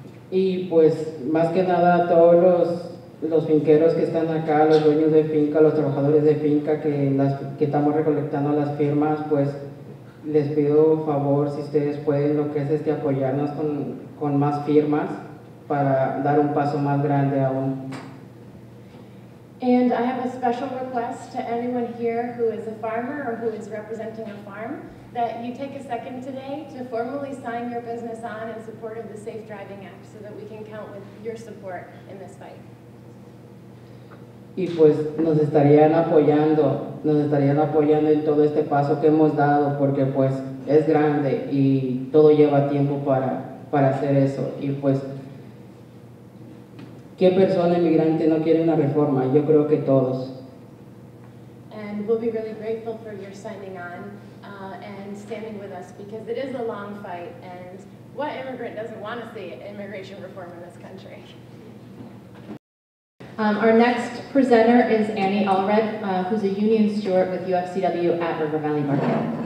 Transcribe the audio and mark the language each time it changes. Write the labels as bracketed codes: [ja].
[es] Y pues más que nada todos los finqueros que están acá, los dueños de finca, los trabajadores de finca que estamos recolectando las firmas, pues les pido favor si ustedes pueden lo que es apoyarnos con más firmas para dar un paso más grande aún. [en] And I have a special request to anyone here who is a farmer or who is representing a farm that you take a second today to formally sign your business on in support of the Safe Driving Act so that we can count with your support in this fight. [es] Y pues nos estarían apoyando en todo este paso que hemos dado porque pues es grande y todo lleva tiempo para hacer eso. Y pues, ¿qué persona inmigrante no quiere una reforma? Yo creo que todos. [en] And we'll be really grateful for your signing on and standing with us because it is a long fight and what immigrant doesn't want to see immigration reform in this country? Our next presenter is Annie Allred, who's a union steward with UFCW at River Valley Market.